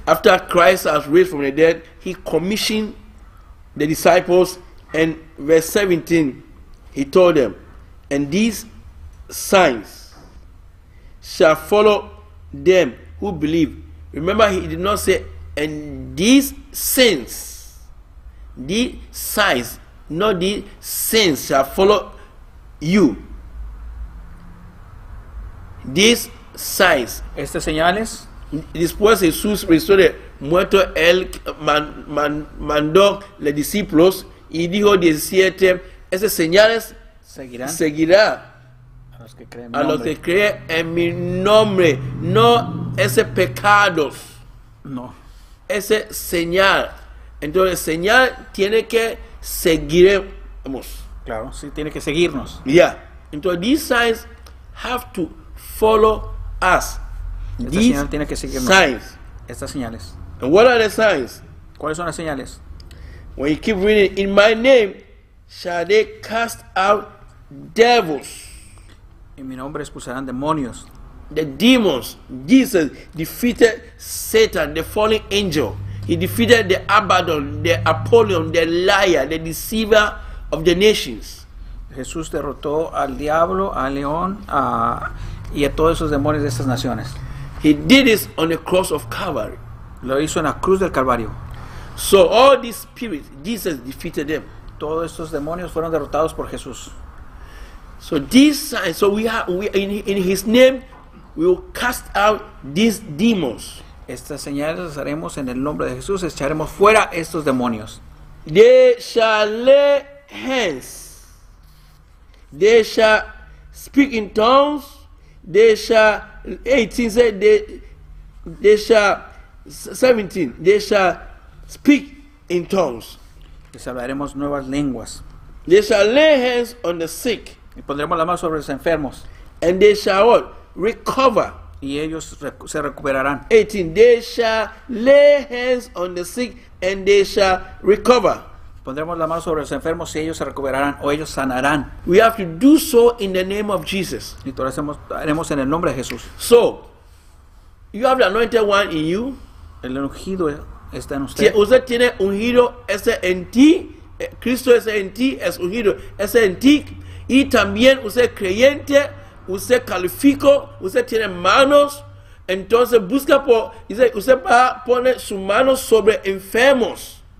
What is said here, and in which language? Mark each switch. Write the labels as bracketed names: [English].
[English] After Christ has raised from the dead, he commissioned the disciples, and verse 17, he told them, and these signs shall follow them who believe. Remember, he did not say, and these sins, these signs, not these sins shall follow you. These signs. [Spanish] Estas señales. Después Jesús resucitó de muerto, él mandó los discípulos y dijo 17, estas señales seguirán a los que creen en mi nombre. No ese pecado. No. Ese señal. Entonces, señal tiene que seguiremos. Claro, sí, tiene que seguirnos. [English] Yeah. [Spanish] Entonces, [English] these signs have to follow us. [Spanish] Estas señales. [English] And what are the signs? [Spanish] ¿Cuáles son las señales? [English] When you keep reading, in my name shall they cast out devils. [Spanish] En mi nombre expulsarán demonios. [English] The demons. Jesus defeated Satan, the fallen angel. He defeated the Abaddon, the Apollyon, the liar, the deceiver of the nations. [Spanish] Jesús derrotó al diablo, al león, a y a todos esos demonios de estas naciones. [English] He did this on the cross of Calvary. [Spanish] Lo hizo en la cruz del Calvario. [English] So all these spirits, Jesus defeated them. [Spanish] Todos estos demonios fueron derrotados por Jesús. [English] So these signs, so we in his name, we will cast out these demons. [Spanish] Estas señales las haremos en el nombre de Jesús, echaremos fuera estos demonios. [English] They shall lay hands. They shall speak in tongues. They shall 18 say they shall 17 they shall speak in tongues. [Spanish] Les hablaremos nuevas lenguas. [English] They shall lay hands on the sick. [Spanish] Y pondremos la mano sobre los enfermos. [English] And they shall what? Recover. [Spanish] Y ellos se recuperarán. [English] 18 they shall lay hands on the sick and they shall recover. [Spanish] Pondremos la mano sobre los enfermos y ellos se recuperarán o ellos sanarán. [English] We have to do so in the name of Jesus. [Spanish] Y todo eso haremos en el nombre de Jesús. [English] So, you have the anointed one in you. [Spanish] El ungido está en usted. Usted tiene ungido ese en ti. Cristo es en ti, es ungido, es en ti. Y también usted creyente, usted calificó, usted tiene manos. Entonces busca por, usted va a poner sus manos sobre enfermos.